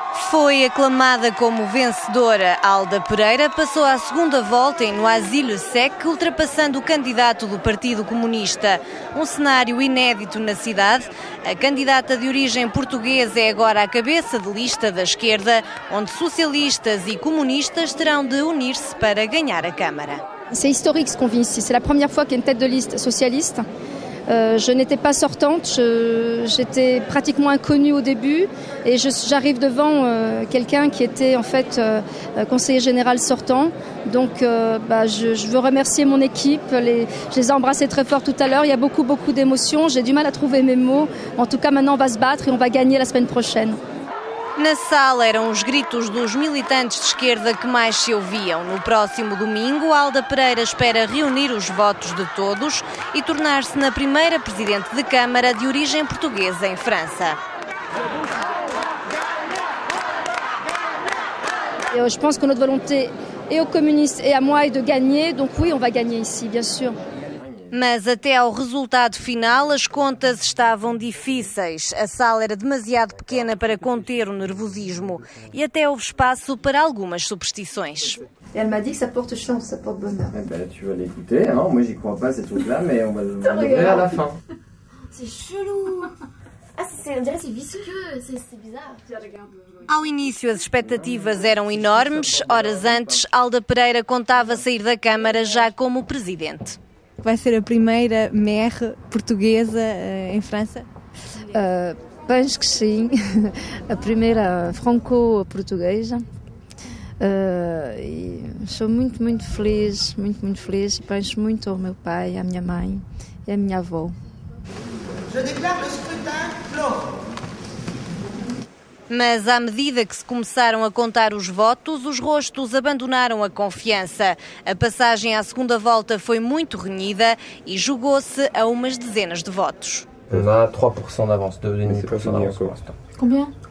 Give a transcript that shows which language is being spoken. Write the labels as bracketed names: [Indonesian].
[Portuguese] Foi aclamada como vencedora. Alda Pereira passou à segunda volta em Noisy-le-Sec, ultrapassando o candidato do Partido Comunista. Um cenário inédito na cidade. A candidata de origem portuguesa é agora a cabeça de lista da esquerda, onde socialistas e comunistas terão de unir-se para ganhar a Câmara. É histórico [French] ce qu'on vit ici. C'est la première fois qu'une tête de liste socialiste. Je n'étais pas sortante, j'étais pratiquement inconnue au début et j'arrive devant quelqu'un qui était en fait conseiller général sortant. Donc je veux remercier mon équipe, je les ai embrassés très fort tout à l'heure, il y a beaucoup beaucoup d'émotions, j'ai du mal à trouver mes mots. En tout cas maintenant on va se battre et on va gagner la semaine prochaine. [Portuguese] Na sala eram os gritos dos militantes de esquerda que mais se ouviam. No próximo domingo, Alda Pereira espera reunir os votos de todos e tornar-se na primeira presidente de Câmara de origem portuguesa em França. Eu penso que a nossa vontade é ao comunista e a moi de ganhar, então sim, vamos ganhar aqui, [French] bien sûr. [Portuguese] Mas até ao resultado final, as contas estavam difíceis. A sala era demasiado pequena para conter o nervosismo. E até houve espaço para algumas superstições. Ela me disse que isso porta chance, isso porta bonheur. [French] Eh bien, tu vas l'écouter, hein? Moi, j'y crois pas, ces trucs-là, mais on va le découvrir à la fin. C'est chelou! C'est bizarre. [Portuguese] Ao início, as expectativas eram enormes. Horas antes, Alda Pereira contava sair da Câmara já como presidente. Vai ser a primeira MR portuguesa em França? Penso que sim. A primeira franco-portuguesa. Sou muito, muito feliz, muito, muito feliz. Penso muito ao meu pai, à minha mãe e à minha avó. [French] Je déclare le scrutin clos. [Portuguese] Mas à medida que se começaram a contar os votos, os rostos abandonaram a confiança. A passagem à segunda volta foi muito renhida e jogou-se a umas dezenas de votos. [French] On a 3% d'avance, 2,5% d'avance. Combien?